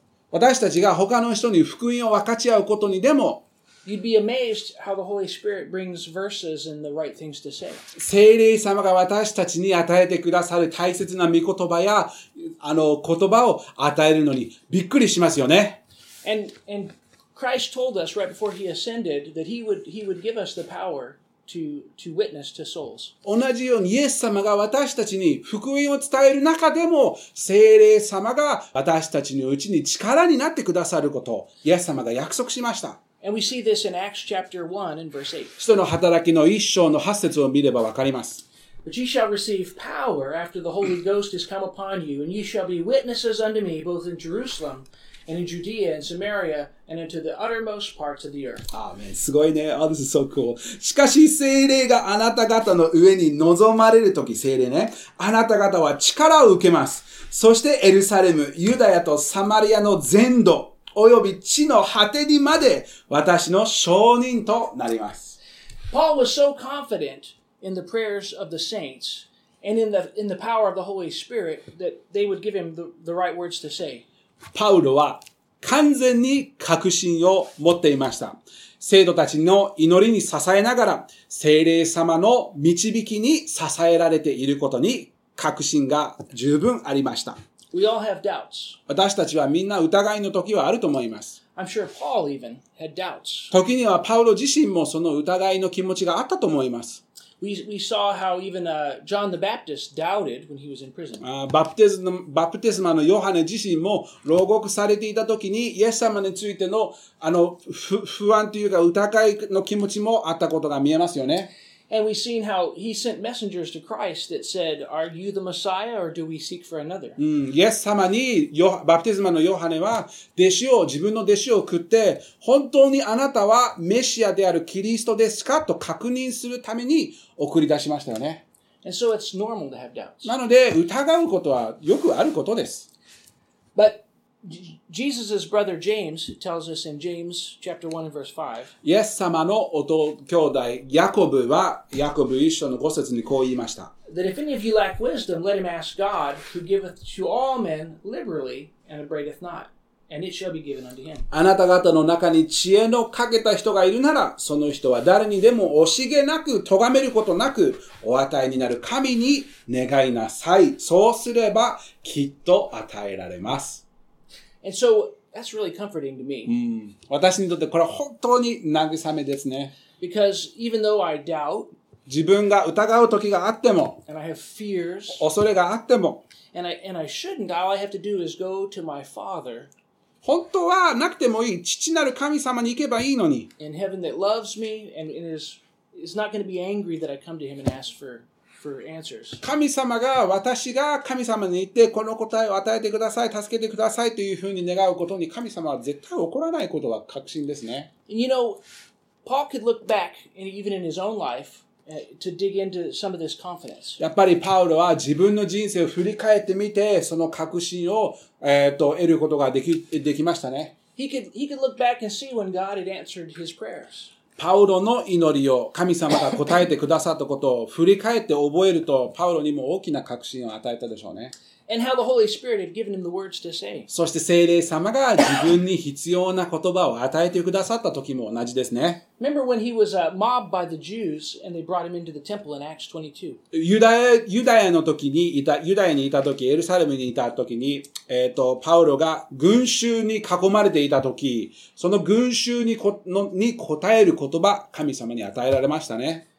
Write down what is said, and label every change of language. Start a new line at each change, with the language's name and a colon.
Japanese: 私たちが他の人に福音を分かち合うことにでも、聖霊様が私たちに与えてくださる大切な御言葉や言葉を与えるのにびっくりしますよね。
English: And Christ told us right before he ascended that he would give us the power to witness to souls.
Japanese: 同じようにイエス様が私たちに福音を伝える中でも、聖霊様が私たちのうちに力になってくださることをイエス様が約束しました。
English: And we see this in Acts chapter 1 and verse 8.
Japanese: 使徒の働きの一章の八節を見ればわかります。
English: But ye shall receive power after the Holy Ghost is come upon you, and ye shall be witnesses unto me both in Jerusalem. And in Judea and Samaria and into the uttermost parts of the earth. Amen.
Japanese: すごいね。
English: Oh, this is so cool.
Japanese: しかし聖霊があなた方の上に臨まれるとき、聖霊ね、あなた方は力を受けます。そしてエルサレム、ユダヤとサマリアの全土、および地の果てにまで私の証人となります。
English: Paul was so confident in the prayers of the saints and in the power of the Holy Spirit that they would give him the right words to say.
Japanese: パウロは完全に確信を持っていました。聖徒たちの祈りに支えながら、聖霊様の導きに支えられていることに確信が十分ありました。
English: We all have doubts.
Japanese: 私たちはみんな疑いの時はあると思います。
English: I'm sure Paul even had doubts.
Japanese: 時にはパウロ自身もその疑いの気持ちがあったと思います。
English: We saw how even John the Baptist doubted when he was in prison.
Japanese: バプテスマのヨハネ自身も牢獄されていた時にイエス様についての不安というか疑いの気持ちもあったことが見えますよね。
English: And we've seen how he sent messengers to Christ that said, "Are you the Messiah, or do we seek for another?"
Japanese: イエス様にバプテスマのヨハネは弟子を自分の弟子を送って、本当にあなたはメシアであるキリストですかと確認するために送り出しましたよね。
English: And so it's normal to have doubts.
Japanese: なので疑うことはよくあることです。
English: But Jesus's brother James tells us in James chapter 1 and verse 5.
Japanese: イエス様の弟兄弟ヤコブはヤコブ一章の五節にこう言いました。
English: That if any of you lack wisdom, let him ask God, who giveth to all men liberally and upbraideth not, and it shall be given unto him.
Japanese: あなた方の中に知恵の欠けた人がいるなら、その人は誰にでも惜しげなく咎めることなくお与えになる神に願いなさい。そうすればきっと与えられます。
English: And so, that's really comforting to me.
Japanese: 私にとってこれは本当に慰めですね。
English: Because even though I doubt,
Japanese: 自分が疑う時があっても、
English: and I have fears,
Japanese: 恐れがあっても、
English: and I shouldn't, all I have to do is go to my Father,
Japanese: 本当はなくてもいい、父なる神様に行けばいいのに、
English: in heaven that loves me, and is not going to be angry that I come to him and ask for answers.
Japanese: 神様が私が神様に言ってこの答えを与えてください、助けてくださいというふうに願うことに神様は絶対怒らないことは確信ですね。
English: You know, Paul could look back and even in his own life to dig into some of this confidence.
Japanese: やっぱりパウロは自分の人生を振り返ってみてその確信を得ることができましたね。
English: He could look back and see when God had answered his prayers.
Japanese: パウロの祈りを神様が答えてくださったことを振り返って覚えると、パウロにも大きな確信を与えたでしょうね。
English: And how the Holy Spirit had given him the words to say.
Japanese: そして聖霊様が自分に必要な言葉を与えてくださった時も同じですね。
English: Remember when he was mobbed by the Jews and they brought him into the temple in Acts 22.
Japanese: ユダヤの時にいた、ユダヤにいた時、エルサレムにいた時に、パウロが群衆に囲まれていた時、その群衆に答える言葉、神様に与えられましたね。